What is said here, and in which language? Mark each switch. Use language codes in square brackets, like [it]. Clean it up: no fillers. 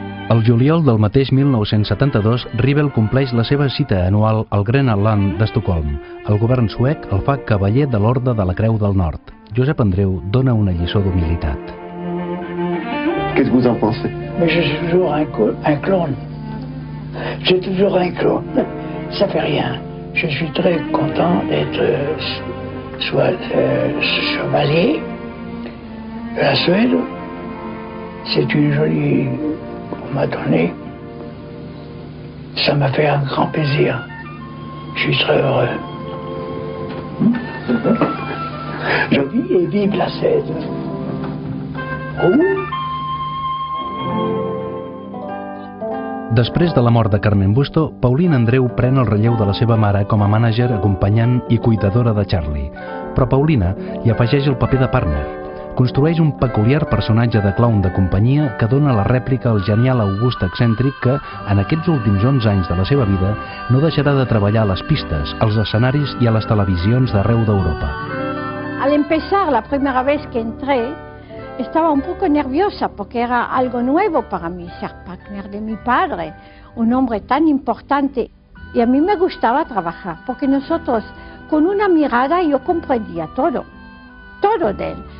[ca] El juliol del mateix 1972, Rivel compleix la seva cita anual al Gröna Lund d'Estocolm. El govern suec el fa cavaller de l'Orde de la Creu del Nord. Josep Andreu dona una lliçó d'humilitat. [fr] Qu'est-ce que vous en pensez? Mais j'ai toujours un clone. J'ai toujours un clone. Ça fait rien. Je suis très content d'être chevalier. La Suède, c'est une jolie... qu'on m'a donnée. Ça m'a fait un grand plaisir. Je suis très heureux. Je vis et vive la Suède. [ca] Després de la mort de Carmen Busto, Pauline Andreu pren el relleu de la seva mare com a mànager, acompanyant i cuidadora de Charlie. Però Paulina hi afegeix el paper de partner. Construeix un peculiar personatge de clown de companyia que dona la rèplica al genial August excèntric que, en aquests últims 11 anys de la seva vida, no deixarà de treballar a les pistes, als escenaris i a les televisions d'arreu d'Europa. [es] Al empezar, la primera vez que entré, estaba un poco nerviosa porque era algo nuevo para mí ser partner de mi padre, un hombre tan importante. Y a mí me gustaba trabajar porque nosotros, con una mirada, yo comprendía todo, todo de él.